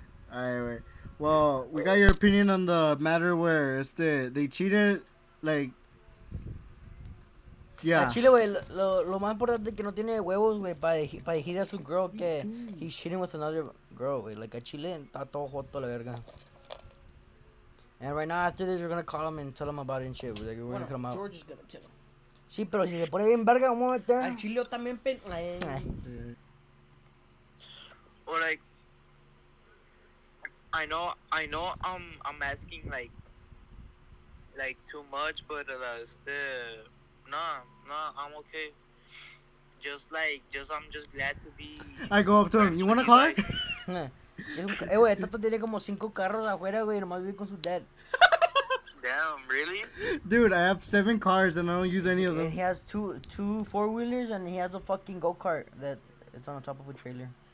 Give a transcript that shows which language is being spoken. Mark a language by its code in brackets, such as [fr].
[en] Anyway, well, we got your opinion on the matter where they cheated, Yeah. [es] A Chile, güey, lo más importante es que no tiene huevos, güey, para decir a su girl que [en] he's cheating with another girl, [es] güey. A Chile está todo joto la verga. [en] And right now, after this, we're gonna call him and tell him about it and shit. We're gonna come out. George is gonna tell him. [es] Sí, pero si se pone bien verga, ¿cómo va a estar? A Chile también, pen... [en] Well, I know I'm asking, too much, but Nah, I'm okay. Just I'm just glad to be. I go up to him. You want a car? [es] Eh, güey, Tato tiene como 5 carros afuera, güey. Nomás vive con su dad. [en] Damn, really? Dude, I have 7 cars and I don't use any of them. And he has two four-wheelers and he has a fucking go-kart that it's on the top of a trailer.